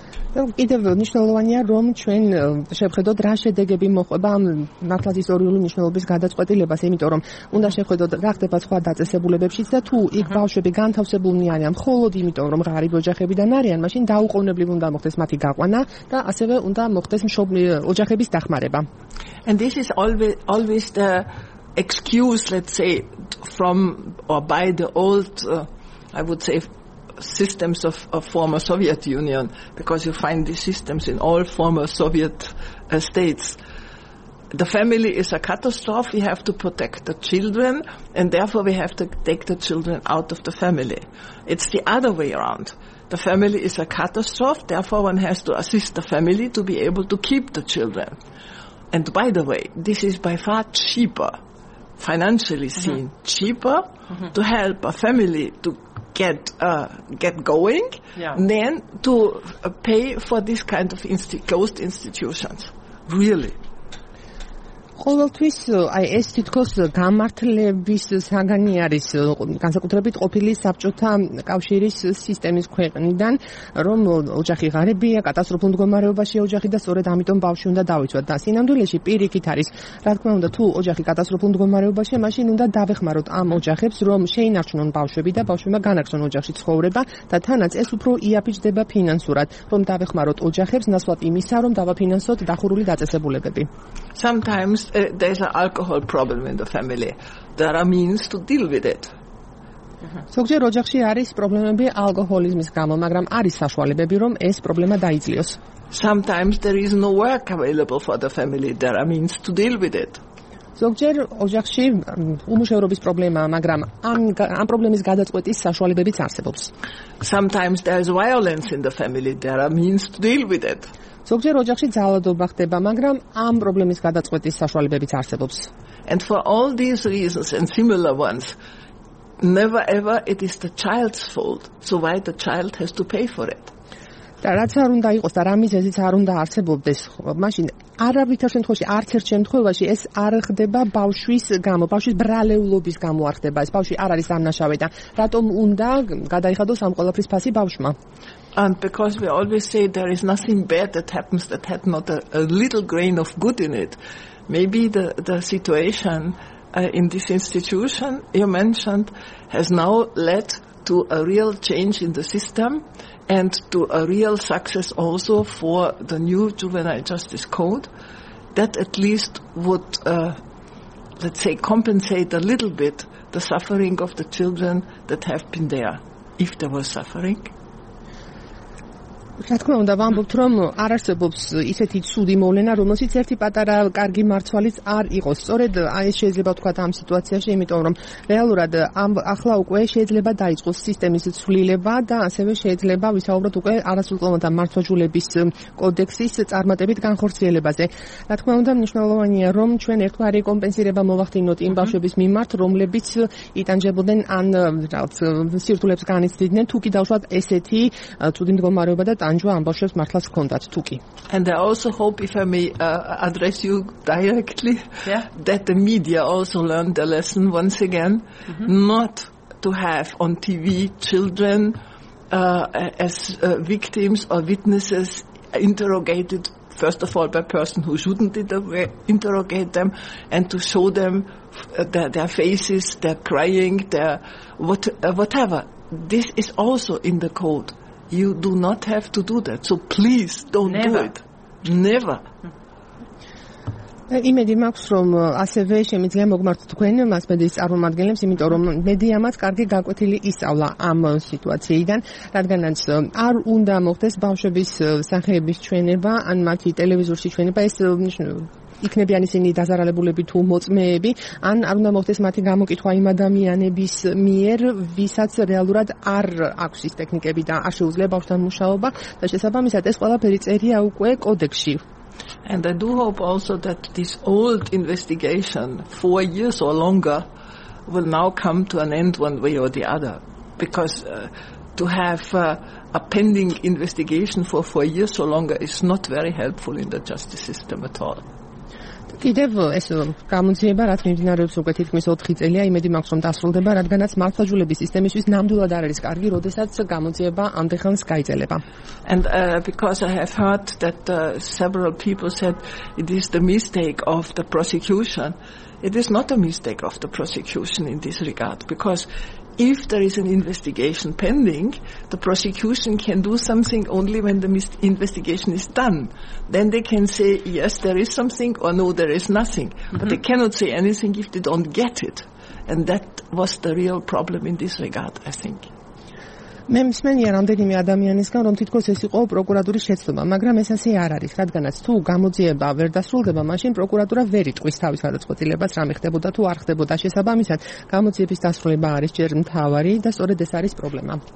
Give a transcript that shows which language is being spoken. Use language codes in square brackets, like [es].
[ka] და კიდევ მნიშვნელოვანია რომ ჩვენ შევხედოთ რა შედეგები მოყვება ამ მართლაც ისტორიული მნიშვნელობის გადაწყვეტილებას, იმიტომ რომ უნდა შევხედოთ რა ხდება სხვა დაწესებულებებშიც და თუ იქ ბავშვები განთავსებულნი არიან მხოლოდ იმიტომ რომ ღარიბ ოჯახებიდან არიან, მაშინ დაუყოვნებლივ უნდა მოხდეს მათი გაყვანა და ასევე უნდა მოხდეს ოჯახების დახმარება. [en] And this is always the excuse, let's say, from or by the old I would say systems of former Soviet Union, because you find these systems in all former Soviet states. The family is a catastrophe, we have to protect the children, and therefore we have to take the children out of the family. It's the other way around. The family is a catastrophe, therefore one has to assist the family to be able to keep the children. And by the way, this is by far cheaper, financially seen, cheaper to help a family to get going then to pay for this kind of closed institutions really [ka] ყოველთვის აი ეს თითქოს გამართლების საგანი არის განსაკუთრებით ყოფილი საბჭოთა კავშირის სისტემის ქვეყნიდან რომ ოჯახი ღარებია კატასტროფულ მდგომარეობაშია ოჯახი და სწორედ ამიტომ ბავშვი უნდა დავიცვათ და სინამდვილეში პირიქით არის რა თქმა უნდა თუ ოჯახი კატასტროფულ მდგომარეობაშია მაშინ უნდა დავეხმაროთ ამ ოჯახებს რომ შეინარჩუნონ ბავშვები და ბავშვებმა განაგრძონ ოჯახში ცხოვრება და თანაც ეს უფრო იაფიჭდება ფინანსურად რომ დავეხმაროთ ოჯახებს ნასვლად იმისა რომ დავაფინანსოთ დახურული დაწესებულებები [en] sometimes there's an alcohol problem in the family. There are means to deal with it. [ka] ზოგჯერ ოჯახში არის პრობლემები ალკოჰოლიზმის გამო, მაგრამ არის საშუალებები, რომ ეს პრობლემა დაიძლიოს. [en] Sometimes there is no work available for the family. There are means to deal with it. [ka] ზოგჯერ ოჯახში უმუშევრობის პრობლემაა, მაგრამ ამ პრობლემის გადაწყვეტის საშუალებებიც არსებობს. [en] Sometimes there is violence in the family. There are means to deal with it. [ka] ზოგჯერ ოჯახში ძალადობა ხდება, მაგრამ ამ პრობლემის გადაწყვეტის საშუალებებიც არსებობს. [en] And for all these reasons and similar ones, never ever it is the child's fault, so why the child has to pay for it. [ka] და რაც არ უნდა იყოს და რა მიზეზიც არ უნდა არსებობდეს, მაშინ არავითარ შემთხვევაში, არცერთ შემთხვევაში ეს არ ხდება ბავშვის გამო, ბავშვის ბრალეულობის გამო არ ხდება, ეს ბავშვი არ არის ამნაშავე და რატომ უნდა გადაიხადოს ამ ყველაფრის ფასი ბავშვმა? [en] And because we always say there is nothing bad that happens that had not a little grain of good in it, maybe the situation in this institution you mentioned has now led to a real change in the system and to a real success also for the new juvenile justice code that at least would let's say compensate a little bit the suffering of the children that have been there if there was suffering. [ka] რა თქმა უნდა, ვამბობთ რომ არ არსებობს ისეთი ცუდი მოვლენა, რომელსაც ერთი პატარა კარგი მართვალიც არ იყოს. სწორედ აი ეს შეიძლება ვთქვა ამ სიტუაციაში, იმიტომ რომ რეალურად ამ ახლა უკვე შეიძლება დაიწყოს სისტემის ცვლილება და ასევე შეიძლება ვისაუბროთ უკვე არასრულწლოვანთა მართვაჯულების კოდექსის წარმატებით განხორციელებაზე. რა თქმა უნდა, მნიშვნელოვანია რომ ჩვენ ერთგვარი კომპენსირება მოვახდინოთ იმ ბავშვების მიმართ, რომლებიც იტანჯებოდნენ ან რაღაც სირთულებს განიცდიდნენ, თუ კი დავშვათ ესეთი ცუდი მდგომარეობა და ანუ ამ ბავშვებს მართლაც ჰქონდათ თუკი. [en] And I also hope if I may address you directly that the media also learned the lesson once again not to have on TV children as victims or witnesses interrogated first of all by person who shouldn't interrogate them and to show them their faces, their crying, their whatever. This is also in the code. You do not have to do that. So please don't do it. Never. [ka] იმედი მაქვს რომ ასევე შემიძლია მოგმართოთ თქვენ მასმედიის წარმომადგენლებს, იმიტომ რომ მედია მათ კარგი გაკვეთილი ისწავლა ამ სიტუაციიდან, რადგანაც არ უნდა მოხდეს ბავშვების სახეების ჩვენება ან მათი ტელევიზორში ჩვენება, ეს იქნებიან ისინი დაზარალებულები თუ მოწმეები, ან არ უნდა მოხდეს მათი გამოკითხვა იმ ადამიანების მიერ, ვისაც რეალურად არ აქვს ის ტექნიკები და არ შეუძლია ბავშვთან მუშაობა, და შესაბამისად ეს ყველაფერი წერია უკვე კოდექსში. [en] And I do hope also that this old investigation, 4 years or longer, will now come to an end one way or the other. Because to have a pending investigation for 4 years or longer is not very helpful in the justice system at all. [ka] კიდევ ეს გამოძიება რაც მიმდინარეობს უკვე თითქმის 4 წელია, იმედი მაქვს რომ დასრულდება, რადგანაც მართლმსაჯულების სისტემისთვის ნამდვილად არ არის კარგი, როდესაც გამოძიება ამდენს გაიწელება. [en] And because I have heard that several people said it is the mistake of the prosecution. It is not a mistake of the prosecution in this regard, because if there is an investigation pending, the prosecution can do something only when the investigation is done. Then they can say yes, there is something, or no, there is nothing. Mm-hmm. But they cannot say anything if they don't get it. And that was the real problem in this regard, I think. [ka] მე მსმენია რამდენიმე ადამიანისგან, რომ თითქოს ეს იყო პროკურატურის შეცდომა, მაგრამ ეს ასე არ არის, რადგანაც თუ გამოძიება ვერ დასრულდება, მაშინ პროკურატურა ვერ იტყვის თავის გადაწყვეტილებას, რამე ხდებოდა თუ არ ხდებოდა. შესაბამისად, გამოძიების დასრულება არის ჯერ მთავარი და სწორედ ეს არის პრობლემა.